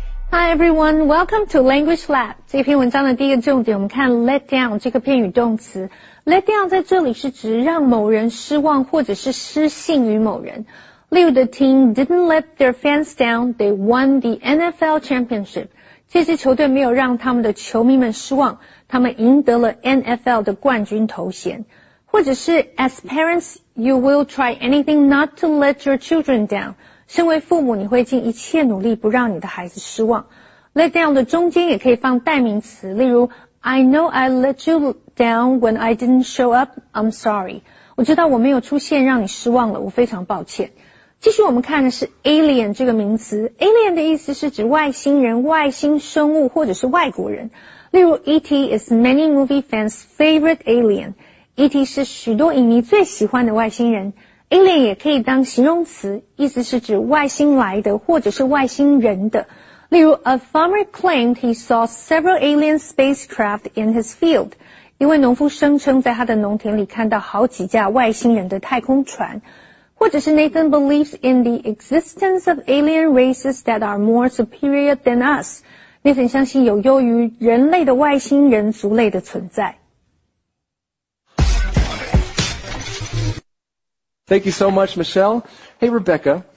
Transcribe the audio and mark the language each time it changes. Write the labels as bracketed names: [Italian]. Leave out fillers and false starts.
[English] Hi everyone, welcome to Language Lab. [Chinese] 这篇文章的第一个重点，我们看 let down 这个片语动词。 let down 在这里是指让某人失望或者是失信于某人。例如 [English] the team didn't let their fans down, they won the NFL championship. [Chinese] 这支球队没有让他们的球迷们失望，他们赢得了 NFL 的冠军头衔。或者是 [English] as parents, you will try anything not to let your children down. [Chinese] 身为父母，你会尽一切努力不让你的孩子失望。 [English] Let down [Chinese] 的中间也可以放代名词，例如 [English] I know I let you down when I didn't show up. I'm sorry. [Chinese] 我知道我没有出现让你失望了，我非常抱歉。继续我们看的是 alien 这个名词。Alien 的意思是指外星人、外星生物或者是外国人。例如 [English] ET is many movie fans' favorite alien. [Chinese] ET 是许多影迷最喜欢的外星人。Alien 也可以当形容词，意思是指外星来的或者是外星人的。例如 [English] ,A farmer claimed he saw several alien spacecraft in his field. [Chinese] 一位农夫声称在他的农田里看到好几架外星人的太空船。或者是 [English] Nathan believes in the existence of alien races that are more superior than us. [Chinese] Nathan 相信有优于人类的外星人族类的存在。 [English] Thank you so much, Michelle. Hey, Rebecca.